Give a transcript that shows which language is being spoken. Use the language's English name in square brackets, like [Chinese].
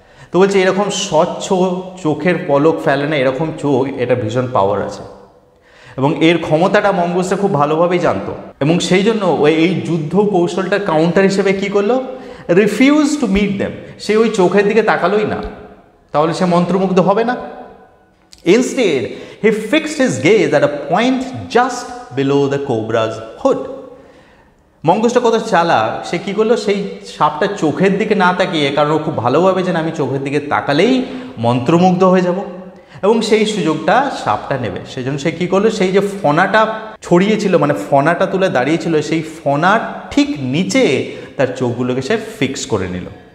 [Bangla] তো বলছে এরকম স্বচ্ছ চোখের পলক ফেলে না এরকম চোখ, এটা ভীষণ পাওয়ার আছে, এবং এর ক্ষমতাটা মঙ্গোলসে খুব ভালোভাবেই জানতো, এবং সেই জন্য ও এই যুদ্ধ কৌশলটার কাউন্টার হিসেবে কী করলো, [English] Refuse to meet them. [Bangla] সে ওই চোখের দিকে তাকালোই না, তাহলে সে মন্ত্রমুগ্ধ হবে না। [English] Instead, he fixed his gaze at a point just below the cobra's hood. [Bangla] মঙ্গোলসটা কত চালাক, সে কী করলো, সেই সাপটা চোখের দিকে না তাকিয়ে, কারণ খুব ভালোভাবে যেন আমি চোখের দিকে তাকালেই মন্ত্রমুগ্ধ হয়ে যাব, এবং সেই সুযোগটা সাপটা নেবে। সেজন্য সে কী করলো, সেই যে ফণাটা ছড়িয়েছিল, মানে ফণাটা তুলে দাঁড়িয়েছিল, সেই ফণার ঠিক নিচে তার চোখগুলোকে সে ফিক্স করে নিল।